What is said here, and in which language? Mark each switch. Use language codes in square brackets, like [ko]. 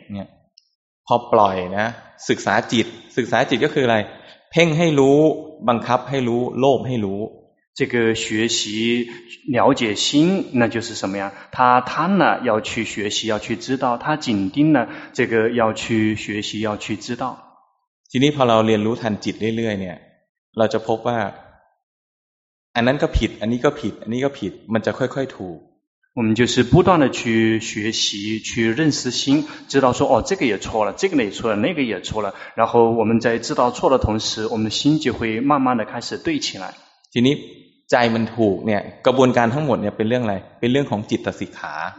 [th] เนี่ยพอปล่อยนะศึกษาจิตศึกษาจิตก็คืออะไรเพ่งให้รู้บังคับให้รู้โลภให้รู้ [zh] 这个学习了解心那就是什么呀他贪了要去学习要去知道他紧盯了这个要去学习要去知道 [th] ทีนี้พอเราเรียนรู้ทันจิตเรื่อยๆเนี่ยเราจะพบว่าอันนั้นก็ผิดอันนี้ก็ผิดอันนี้ก็ผิดมันจะค่อยๆถูก [zh] 我们就是不断的去学习去认识心知道说哦这个也错了这个也错了那个也错了然后我们在知道错的同时我们的心就会慢慢的开始对起来 [th] ทีนี้ใจมันถูกเนี่ยกระบวนการทั้งหมดเนี่ยเป็นเรื่องอะไรเป็นเรื่องของจิตสิกขา